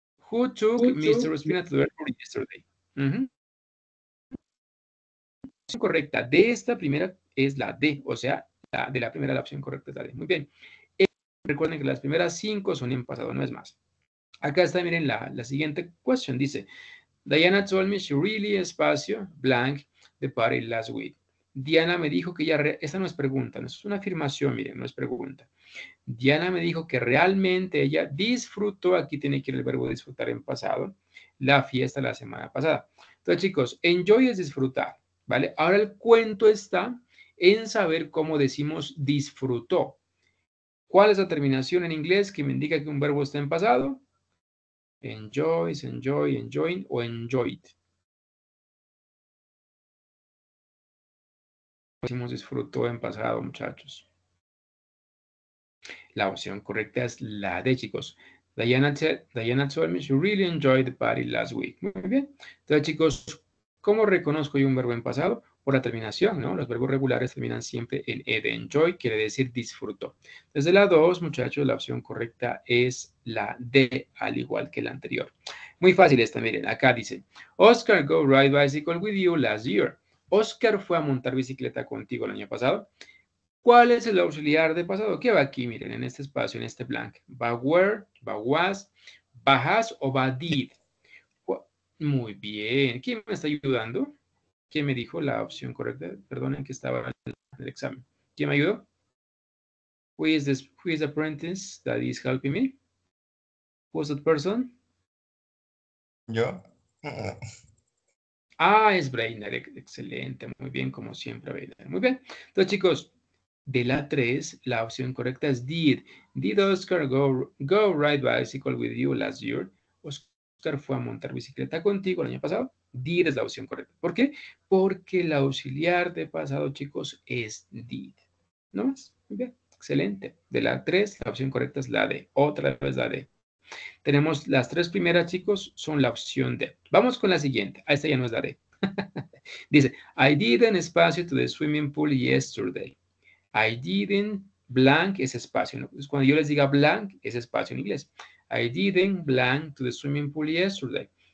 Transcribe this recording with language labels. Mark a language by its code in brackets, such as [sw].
[en] Who took Mr. Ospina to the airport yesterday? [es] Correcta de esta primera es la D, o sea, la de la primera la opción correcta es la D. Muy bien. Recuerden que las primeras cinco son en pasado, no es más. Acá está, miren, la siguiente cuestión. [en] Dice, Diana told me she really espacio blank the party last week. [es] Diana me dijo que ya, esta no es pregunta, no, es una afirmación, miren, no es pregunta. Diana me dijo que realmente ella disfrutó, aquí tiene que ir el verbo disfrutar en pasado, la fiesta la semana pasada. Entonces, chicos, enjoy es disfrutar. ¿Vale? Ahora el cuento está en saber cómo decimos disfrutó. ¿Cuál es la terminación en inglés que me indica que un verbo está en pasado? Enjoys, enjoy, enjoying o enjoyed. ¿Cómo decimos disfrutó en pasado, muchachos? La opción correcta es la de, chicos. [en] Diana told me she really enjoyed the party last week. [es] Muy bien. Entonces, chicos, ¿cómo reconozco yo un verbo en pasado? Por la terminación, ¿no? Los verbos regulares terminan siempre en ed, enjoy, quiere decir disfruto. Desde la 2, muchachos, la opción correcta es la D, al igual que la anterior. Muy fácil esta, miren, acá dice, [en] Oscar go ride bicycle with you last year. [es] Oscar fue a montar bicicleta contigo el año pasado. ¿Cuál es el auxiliar de pasado? ¿Qué va aquí, miren, en este espacio, en este blank? ¿Va where, va was, va has o va did? Muy bien, ¿quién me está ayudando? ¿Quién me dijo la opción correcta? Perdonen que estaba en el examen. ¿Quién me ayudó? [en] Who is the apprentice that is helping me? Who's that person? [es] Yo. Ah, es Brainer. Excelente. Muy bien, como siempre, Brainer. Muy bien. Entonces, chicos, de la 3, la opción correcta es did. [en] Did Oscar go ride bicycle with you last year? [es] Oscar fue a montar bicicleta contigo el año pasado. Did es la opción correcta. ¿Por qué? Porque el auxiliar de pasado, chicos, es did. ¿No más? Muy bien. Excelente. De la 3, la opción correcta es la D. Otra vez la D. Tenemos las 3 primeras, chicos, son la opción D. Vamos con la siguiente. Esta ya no es la D. [en] Dice, I didn't espacio to the swimming pool yesterday. I didn't blank es espacio. [es] Entonces, cuando yo les diga blank, es espacio en inglés. [en] I didn't blank to the swimming pool yesterday.